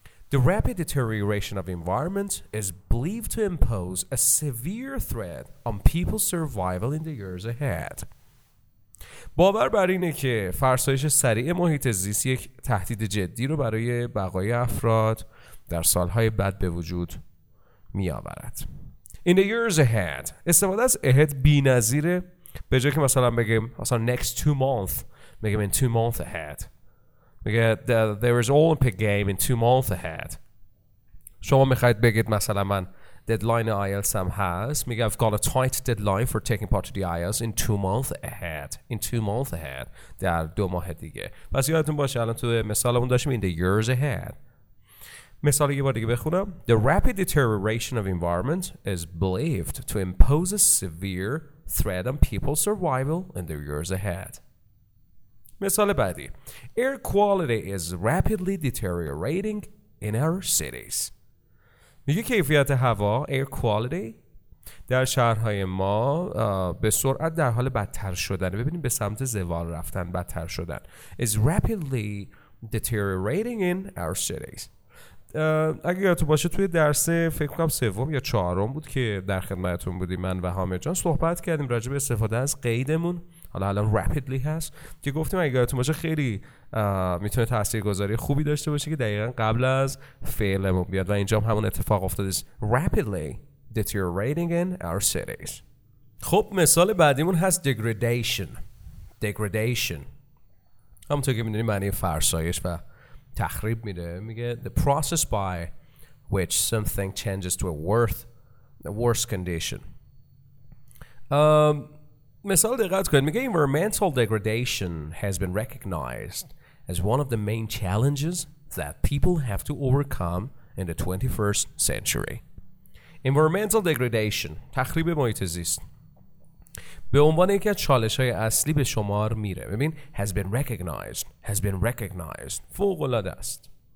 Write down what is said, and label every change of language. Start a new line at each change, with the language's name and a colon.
English: The rapid deterioration of environment is believed to impose a severe threat on people's survival in the years ahead.
Persian: باور بر اینه که فرسایش سریع محیط زیست یک تهدید جدی رو برای بقای افراد در سالهای بعد به وجود می آورد.
English: In the years ahead.
Persian: استفاده از ahead بی نظیره. به جای که مثلا بگیم مثلا
English: next 2 months،
Persian: میگم
English: in 2 months ahead.
Persian: میگه
English: there is Olympic game in 2 months ahead.
Persian: شما میخواید بگید مثلا من deadline IELTS هم هست، میگه
English: I've got a tight deadline for taking part to the IELTS in 2 months ahead. In 2 months ahead،
Persian: در 2 ماه دیگه. پس یادتون باشه الان تو مثالمون داشتیم
English: in the years ahead.
Persian: مثال یه بار دیگه بخونم.
English: The rapid deterioration of environment is believed to impose a severe threat on people's survival in the years ahead.
Persian: مثال بعدی.
English: Air quality is rapidly deteriorating in our cities.
Persian: میگه کیفیت هوا،
English: air quality،
Persian: در شهرهای ما به سرعت در حال بدتر شدن. ببینیم به سمت زوال رفتن، بدتر شدن.
English: Is rapidly deteriorating in our cities.
Persian: اگه یاد تو باشه توی درس فکر کنم سوم یا چهارم بود که در خدمتون بودی، من و حامد جان صحبت کردیم راجع به استفاده از قیدمون. حالا rapidly هست که گفتیم اگه یادتون باشه خیلی میتونه تاثیرگذاری خوبی داشته باشه که دقیقا قبل از فعلمون بیاد و اینجا همون اتفاق افتاده است.
English: Rapidly deteriorating in our cities.
Persian: خب مثال بعدیمون هست
English: degradation.
Persian: همونطور که میدونیم معنی فرسایش و تخریب میده. میگه
English: the process by which something changes to a worse condition.
Persian: مثال دقت کنید، میگه
English: environmental degradation has been recognized as one of the main challenges that people have to overcome in the 21st century. Environmental degradation،
Persian: تخریب محیط زیست، به عنوان یکی از چالش‌های اصلی به شمار میره. ببین
English: has been recognized
Persian: فوق‌العاده است.